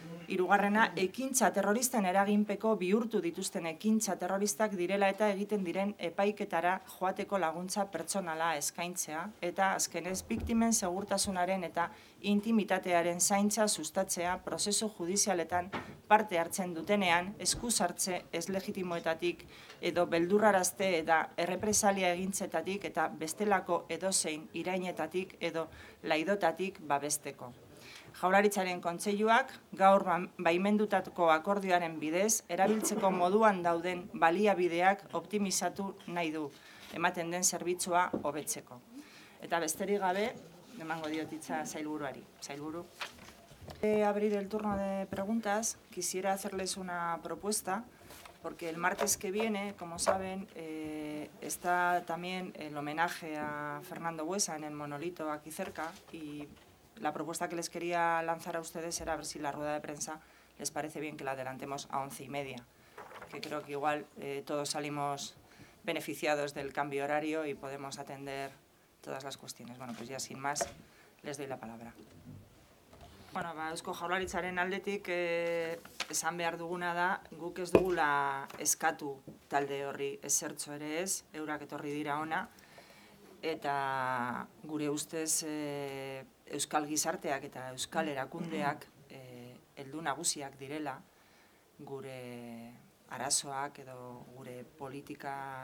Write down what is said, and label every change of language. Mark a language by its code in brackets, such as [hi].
[eu] hirugarrena, ekintza terroristen eraginpeko bihurtu dituzten ekintza terroristak direla eta egiten diren epaiketara joateko laguntza pertsonala eskaintzea eta azkenez biktimen segurtasunaren eta intimitatearen zaintza sustatzea prozesu judizialetan parte hartzen dutenean eskusartze ezlegitimoetatik edo beldurrarazte eta errepresalia egintzetatik eta bestelako edozein irainetatik edo laidotatik babesteko. Jaurlaritzaren kontseiluak gaur baimendutatko akordioaren bidez erabiltzeko moduan dauden baliabideak optimizatu nahi du ematen den zerbitzua hobetzeko. Eta besterik gabe, emango diot hitza sailburuari. Sailburu. [es] Abrir el turno de preguntas, quisiera hacerles una propuesta porque el martes que viene, como saben, está también el homenaje a Fernando Buesa en el monolito aquí cerca y la propuesta que les quería lanzar a ustedes era ver si la rueda de prensa les parece bien que la adelantemos a 11:30, que creo que igual todos salimos beneficiados del cambio horario y podemos atender todas las cuestiones. Bueno, pues ya sin más, les doy la palabra. [eu] Bueno, ba, Eusko Jaurlaritzaren aldetik esan behar duguna da, guk ez dugula eskatu talde horri ezertxo ere ez, eurak etorri dira ona, eta gure ustez euskal gizarteak eta euskal erakundeak heldu nagusiak direla gure arazoak edo gure politika